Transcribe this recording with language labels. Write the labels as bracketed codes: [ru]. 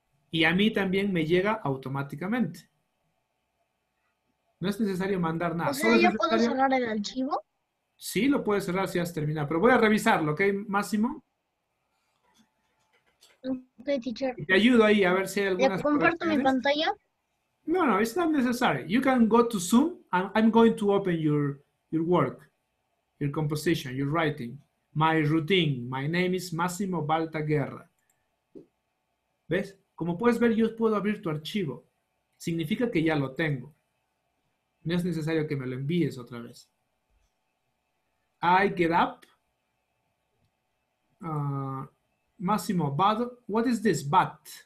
[es] Y a mí también me llega automáticamente. No es necesario mandar nada. ¿O sea, yo puedo cerrar el archivo? Sí, lo puedes cerrar si has terminado. Pero voy a revisarlo, ¿ok, Máximo? [en] Ok, teacher. [es] Te ayudo ahí a ver si hay alguna. ¿Le comparto mi pantalla? [en] No, no, it's not necessary. You can go to Zoom and I'm going to open your work, your composition, your writing, my routine. My name is Máximo Baltaguerra. [es] ¿Ves? Como puedes ver, yo puedo abrir tu archivo. Significa que ya lo tengo. No es necesario que me lo envíes otra vez. [en] I get up. Máximo, but, what is this, but?